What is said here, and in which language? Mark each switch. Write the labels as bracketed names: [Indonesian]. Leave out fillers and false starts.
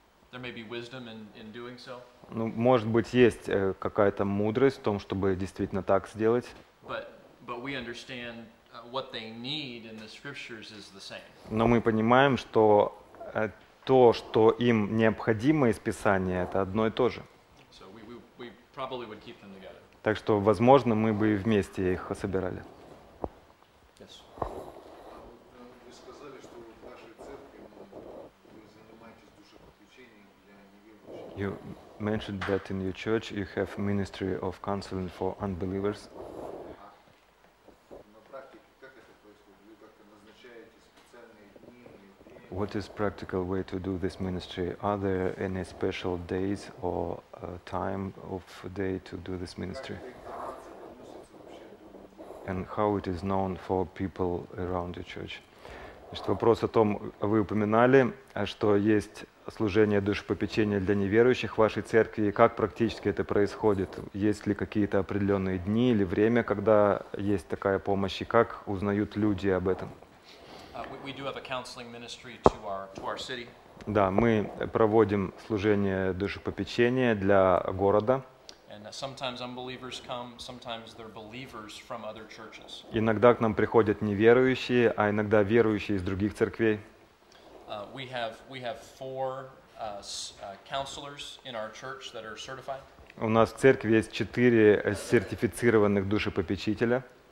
[English] There may be wisdom in doing so. [Russian] Ну, может быть, есть какая-то мудрость в том, чтобы действительно так сделать. [English] But we understand what they need in the scriptures is the same. [Russian] Но мы понимаем, что то, что им необходимо из Писания, это одно и то же. [English] So we probably would keep them together. [Russian] Так что, возможно, мы бы вместе их собирали. [English] Yes. You mentioned that in your church you have ministry of counseling for unbelievers. What is practical way to do this ministry? Are there any special days or time of day to do this ministry? And how it is known for people around your church? [Russian] Значит, вопрос о том, вы упоминали, что есть служение душепопечения для неверующих в вашей церкви, и как практически это происходит? Есть ли какие-то определенные дни или время, когда есть такая помощь, и как узнают люди об этом? [English] We do have a counseling ministry to our city. [Russian] Да, мы проводим служение душепопечения для города. Иногда к нам приходят неверующие, а иногда верующие из других церквей. У нас в церкви есть 4 сертифицированных душепопечителя.